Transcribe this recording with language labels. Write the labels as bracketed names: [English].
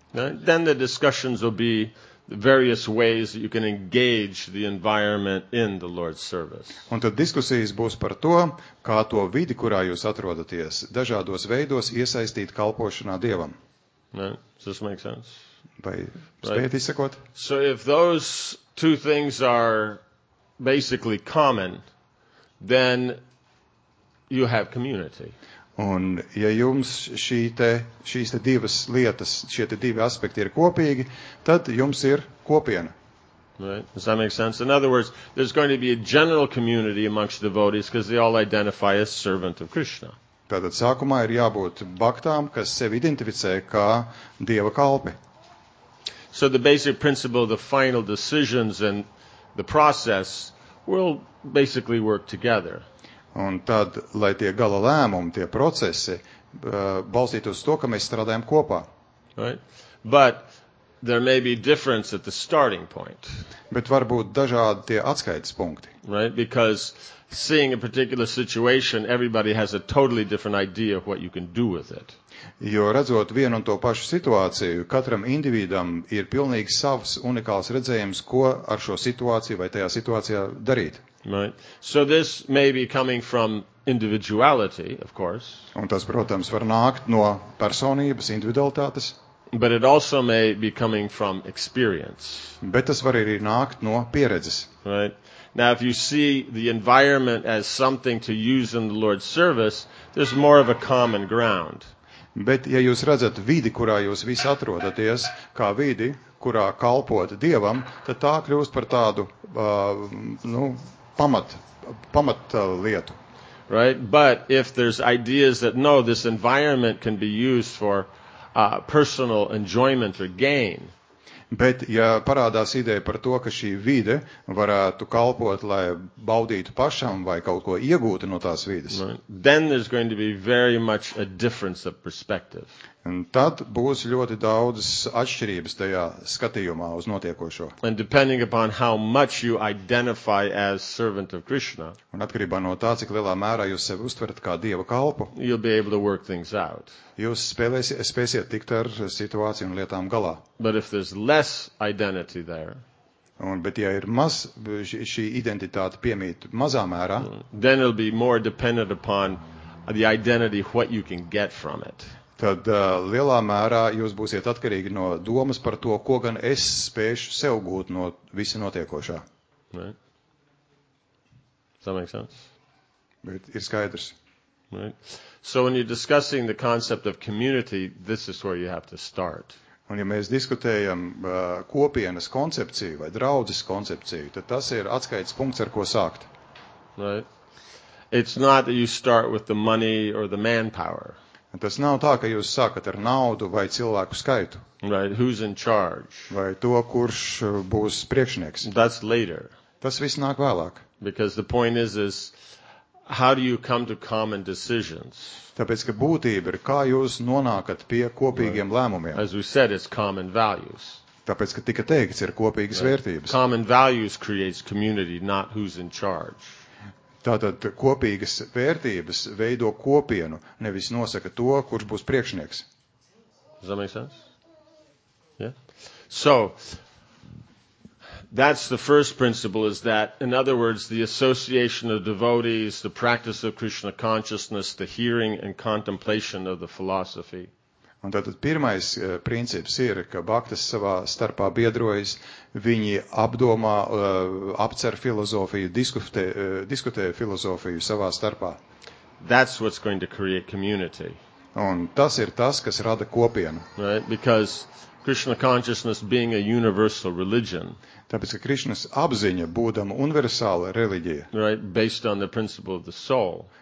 [English] Then the discussions will be various ways that you can engage the environment in the Lord's service. [Latvian] Un tad diskusijas būs par to, kā to vidi, kurā jūs atrodaties, dažādos veidos iesaistīt kalpošanā Dievam. [English] Right. Does this make sense? [Latvian] Vai spējat izsakot? [English] So if those two things are basically common, then you have community. [Latvian] Un ja jums šīs te divas lietas, šie te divi aspekti ir kopīgi, tad jums ir kopiena. [English] Right. Does that make sense? In other words, there's going to be a general community amongst devotees because they all identify as servant of Krishna. [Latvian] Tātad sākumā ir jābūt baktām, kas sevi identificē kā Dieva kalpi. [English] So the basic principle, the final decisions and the process will basically work together. [Latvian] Un tad, lai tie gala lēmumi, tie procesi, balstītu uz to, ka mēs strādājam kopā. [English] Right? But there may be difference at the starting point. [Latvian] Bet var būt dažādi tie atskaites punkti. [English] Right? Because seeing a particular situation, everybody has a totally different idea of what you can do with it. [Latvian] Jo redzot vienu un to pašu situāciju, katram individam ir pilnīgi savs unikāls redzējums, ko ar šo situāciju vai tajā situācijā darīt. [English] Right. So this may be coming from individuality, of course. [Latvian] Un tas, protams, var nākt no personības, individualitātes. [English] But it also may be coming from experience. [Latvian] Bet tas var arī nākt no pieredzes. [English] Right. Now, if you see the environment as something to use in the Lord's service, there's more of a common ground. [Latvian] Bet, ja jūs redzat vidi, kurā jūs visi atrodaties, kā vidi, kurā kalpot Dievam, tad tā kļūst par tādu, pamatlietu. [English] Right? But if there's ideas that, no, this environment can be used for personal enjoyment or gain. [Latvian] Bet, ja parādās ideja par to, ka šī vide varētu kalpot, lai baudītu pašam vai kaut ko iegūtu no tās vides, [English] then there's going to be very much a difference of perspective. [Latvian] Un tad būs ļoti daudz atšķirības tajā skatījumā uz notiekošo. [English] And depending upon how much you identify as servant of Krishna, [Latvian] un atkarībā no tā, cik lielā mērā jūs sevi uztverat kā Dieva kalpu, [English] you'll be able to work things out. [Latvian] Jūs spēsiet tikt ar situāciju un lietām galā. [English] But if there's less identity there, [Latvian] un, bet ja ir maz, šī identitāte piemīt mazā mērā, [English] then it'll be more dependent upon the identity what you can get from it. [Latvian] Tad lielā mērā jūs būsiet atkarīgi no domas par to, ko gan es spēšu sev gūt no visa notiekošā. [English] Right. Does that make sense? [Latvian] Bet ir skaidrs. [English] Right. So when you're discussing the concept of community, this is where you have to start. [Latvian] Un ja mēs diskutējam kopienas koncepciju vai draudzes koncepciju, tad tas ir atskaites punkts, ar ko sākt. [English] Right. It's not that you start with the money or the manpower. [Latvian] Tas nav tā, ka jūs sākat ar naudu vai cilvēku skaitu. [English] Right, who's in charge? [Latvian] Vai to, kurš būs priekšnieks. [English] That's later. [Latvian] Tas viss nāk vēlāk. [English] Because the point is how do you come to common decisions? [Latvian] Tāpēc, ka būtība ir, kā jūs nonākat pie kopīgiem right. lēmumiem. [English] As we said, it's common values. [Latvian] Tāpēc, ka tika teikts, ir kopīgas right. vērtības. [English] Common values creates community, not who's in charge. [Latvian] Tātad kopīgas vērtības veido kopienu, nevis nosaka to, kurš būs priekšnieks. [English] Does that make sense? Yeah. So, that's the first principle is that, in other words, the association of devotees, the practice of Krishna consciousness, the hearing and contemplation of the philosophy. [Latvian] Un tātad pirmais princips ir, ka baktas savā starpā biedrojas, viņi apdomā, apcer filozofiju, diskutē filozofiju savā starpā. [English] That's what's going to create community. [Latvian] Un tas ir tas, kas rada kopienu. [English] Right? Because Krishna consciousness being a universal religion. [Latvian] Tāpēc, ka Krishnas apziņa būdama universāla religija. [English] Right? Based on the principle of the soul.